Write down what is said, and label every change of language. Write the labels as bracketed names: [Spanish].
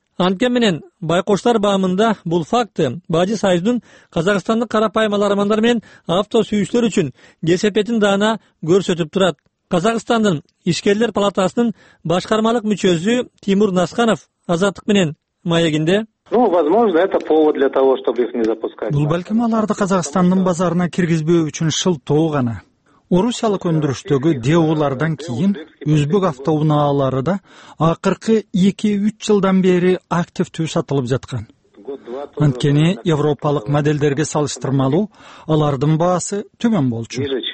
[Kyrgyz] Анткени менен байкоштор баамында бул факты бажы союзунун казакстандык карапайым алармандар менен автосүйүүчүлөр үчүн кесепетин даана көрсөтүп турат. Казакстандын ишкерлер палатасынын башкармалык мүчөсү Тимур Насканов Азаттык менен маегинде. [Russian] Ну, возможно, это повод для того, чтобы их не запускать. [Kyrgyz] Бул балким аларды Казакстандын базарына киргизбөө үчүн шылтоо гана. Орусиялык өндүрүштөгү ДЭУ-лардан кийин өзбек автоунаалары да акыркы 2-3 жылдан бери активдүү сатылып жаткан. Анткени европалык моделдерге салыштырмалуу алардын баасы төмөн болчу.